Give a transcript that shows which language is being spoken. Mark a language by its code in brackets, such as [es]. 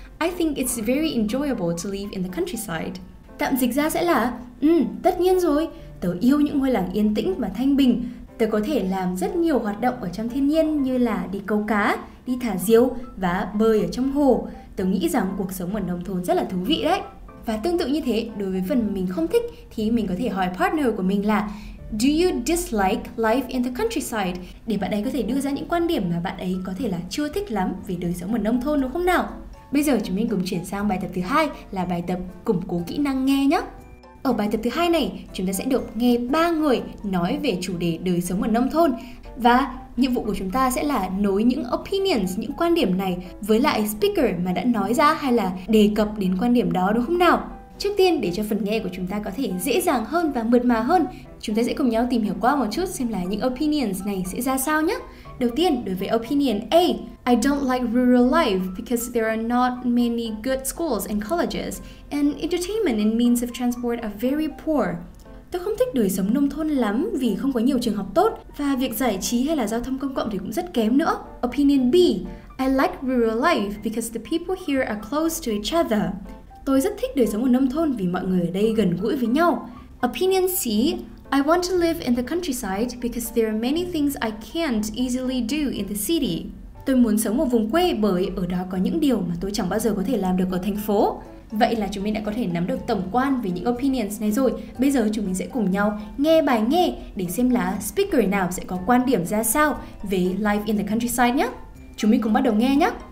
[en] I think it's very enjoyable to live in the countryside. [vi] Tạm dịch ra sẽ là, tất nhiên rồi, tớ yêu những ngôi làng yên tĩnh và thanh bình. Tớ có thể làm rất nhiều hoạt động ở trong thiên nhiên như là đi câu cá, đi thả diều và bơi ở trong hồ. Tớ nghĩ rằng cuộc sống ở nông thôn rất là thú vị đấy. Và tương tự như thế, đối với phần mình không thích thì mình có thể hỏi partner của mình là [en] Do you dislike life in the countryside? [vi] Để bạn ấy có thể đưa ra những quan điểm mà bạn ấy có thể là chưa thích lắm về đời sống ở nông thôn đúng không nào? Bây giờ chúng mình cùng chuyển sang bài tập thứ hai là bài tập củng cố kỹ năng nghe nhé. Ở bài tập thứ hai này, chúng ta sẽ được nghe 3 người nói về chủ đề đời sống ở nông thôn. Và nhiệm vụ của chúng ta sẽ là nối những opinions, những quan điểm này với lại speaker mà đã nói ra hay là đề cập đến quan điểm đó đúng không nào? Trước tiên, để cho phần nghe của chúng ta có thể dễ dàng hơn và mượt mà hơn, chúng ta sẽ cùng nhau tìm hiểu qua một chút xem là những opinions này sẽ ra sao nhé. Đầu tiên, đối với [en] opinion A, I don't like rural life because there are not many good schools and colleges, and entertainment and means of transport are very poor. [vi] Tôi không thích đời sống nông thôn lắm vì không có nhiều trường học tốt và việc giải trí hay là giao thông công cộng thì cũng rất kém nữa. [en] Opinion B, I like rural life because the people here are close to each other. [vi] Tôi rất thích đời sống ở nông thôn vì mọi người ở đây gần gũi với nhau. [en] Opinion C, I want to live in the countryside because there are many things I can't easily do in the city. [vi] Tôi muốn sống ở vùng quê bởi ở đó có những điều mà tôi chẳng bao giờ có thể làm được ở thành phố. Vậy là chúng mình đã có thể nắm được tổng quan về những opinions này rồi. Bây giờ chúng mình sẽ cùng nhau nghe bài nghe để xem là speaker nào sẽ có quan điểm ra sao về [en] life in the countryside [vi] nhé. Chúng mình cùng bắt đầu nghe nhé.